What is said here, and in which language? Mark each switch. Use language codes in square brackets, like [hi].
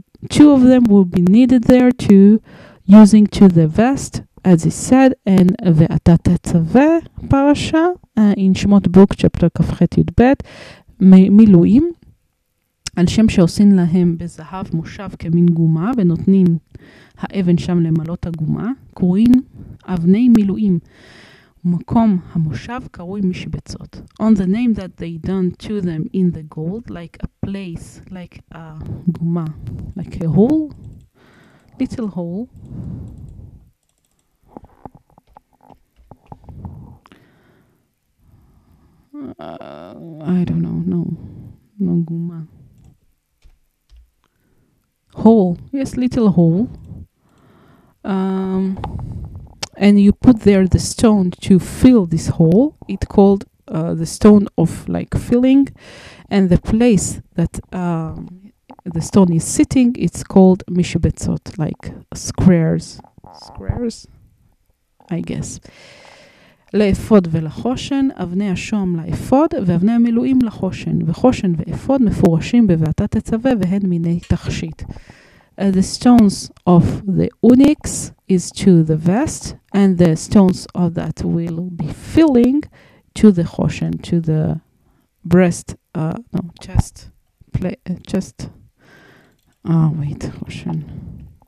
[en] Two of them will be needed there to using to the vest, as he said, and ve'ata tetzaveh parasha in Shmot book chapter kafchet yudbet miluim. [he] על שם שעושים להם בזהב מושב כמין גומה, ונותנים האבן שם למלות הגומה, קוראים אבני מילואים, מקום המושב קרוי משבצות. [en] On the name that they done to them in the gold, like a place, like a guma, like a hole, little hole. I don't know, no guma. Hole, yes, little hole, and you put there the stone to fill this hole. It called the stone of like filling, and the place that the stone is sitting, it's called mishbetzot, like squares, I guess. [he] לאפוד ולחושן, אבני השום לאפוד, ואבני המילואים לחושן, וחושן ואפוד מפורשים בבעתה תצווה, והן מיני תכשיט. [en] The stones of the onyx is to the vest, and the stones of that will be filling to the choshen, to the breast, chest, chest. Oh, wait, choshen.